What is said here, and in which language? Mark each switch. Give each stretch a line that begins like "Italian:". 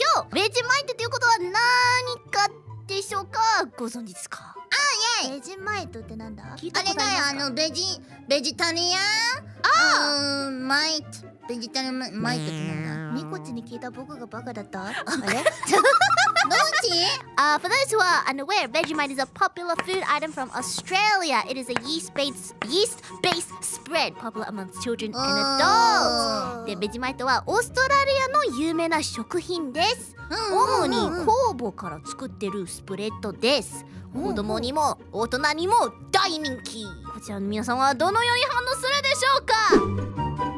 Japanese: 今日、Vegemite ということは何かでしょうか? ご存知ですか? あ、イエーイ! Vegemite ってなんだ? 聞いたことありますか? あれだよ、ベジタリアン? Mite! ベジタリアンマイトってなんだ。ミコチに聞いた僕がバカだった。あれ。
English: For those who are unaware, Vegemite is a popular food item from Australia. It is a yeast-based spread popular amongst children and adults.
Japanese: Vegemite はオーストラリアの有名な食品です。主に酵母から作ってるスプレッドです。子供にも大人にも大人気。こちらの皆さんはどのように反応するでしょうか。